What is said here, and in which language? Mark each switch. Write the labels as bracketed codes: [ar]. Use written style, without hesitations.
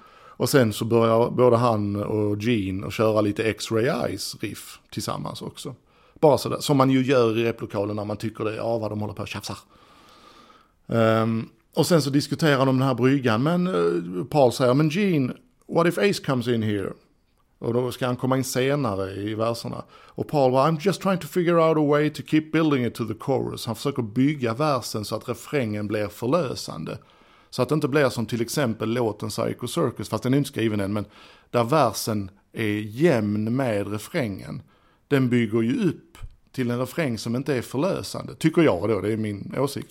[sv] Och sen så börjar både han och Gene att köra lite X-ray Eyes riff tillsammans också. Bara sådär, som man ju gör i replokalen när man tycker det är vad de håller på att tjafsa. Och sen så diskuterar de den här bryggan. Men Paul säger, men Gene... [en] What if Ace comes in here? [sv] Och då ska han komma in senare i verserna. Och Paul bara, [en] I'm just trying to figure out a way to keep building it to the chorus. [sv] Han försöker bygga versen så att refrängen blir förlösande. Så att det inte blir som till exempel låten Psycho Circus, fast den är inte skriven än, men där versen är jämn med refrängen. Den bygger ju upp till en refräng som inte är förlösande, tycker jag då, det är min åsikt.